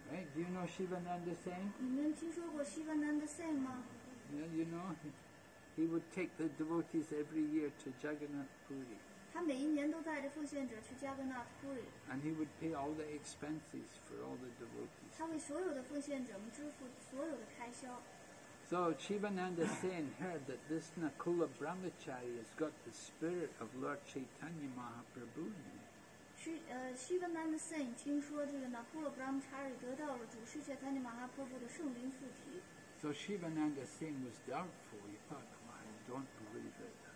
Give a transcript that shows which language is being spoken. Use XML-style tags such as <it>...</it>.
<en>Right? Do you know Shivananda Singh?</en> <zh>你们听说过 Shivananda Singh 吗？</zh> <en>Yeah, you know, he would take the devotees every year to Jagannath Puri.</en> <zh>他每一年都带着奉献者去Jagannath Puri.</zh> <en>And he would pay all the expenses for all the devotees.</en> <zh>他为所有的奉献者们支付所有的开销。</zh> <en>So Shivananda Singh heard that this Nakula Brahmachari has got the spirit of Lord Chaitanya Mahaprabhu in him.</en> <zh>Shivananda Singh 听说这个Nakula Brahmachari 得到了主持 Chaitanya Mahaprabhu 的圣灵附体。</zh> <en>So Shivananda Singh was doubtful. He thought, oh, I don't believe it.</en>